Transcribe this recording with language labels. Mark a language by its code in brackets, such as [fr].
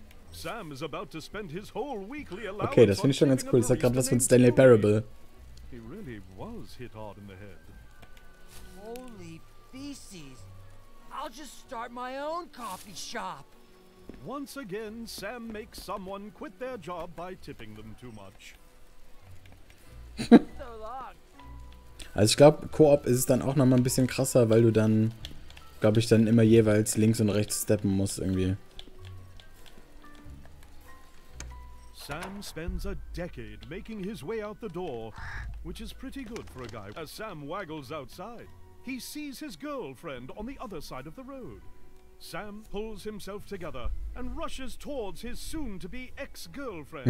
[en] Sam is about to spend his whole weekly allowance. [de] Okay, das finde ich schon ganz cool. Das hat gerade was von Stanley Parable. [en] He really was hit hard in the head. Holy feces. I'll just start my own coffee shop. Once again, Sam makes someone quit their job by tipping them too much. [de] Also ich glaube, Koop ist es dann auch nochmal ein bisschen krasser, weil du dann, glaube ich, dann immer jeweils links und rechts steppen musst irgendwie. [en] Sam spends a decade making his way out the door, which is pretty good for a guy. As Sam waggles outside, he sees his girlfriend on the other side of the road. Sam pulls himself together and rushes towards his soon-to-be ex-girlfriend.